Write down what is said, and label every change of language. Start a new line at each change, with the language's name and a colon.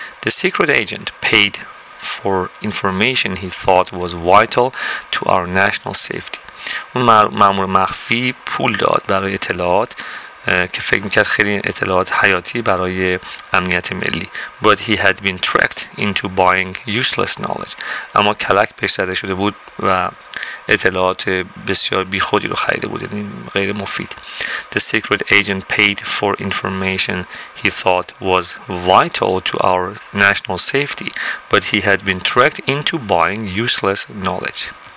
English: The secret agent paid for information he thought was vital to our national safety.
Persian: اون مأمور مخفی پول داد برای اطلاعات که فکر میکرد خیلی اطلاعات حیاتی برای امنیت ملی.
English: But he had been tricked into buying useless knowledge.
Persian: اما کلک پیش زده شده بود و اطلاعات بسیار بی خودی رو خریده بود، یعنی غیر مفید.
English: The secret agent paid for information he thought was vital to our national safety, but he had been tricked into buying useless knowledge.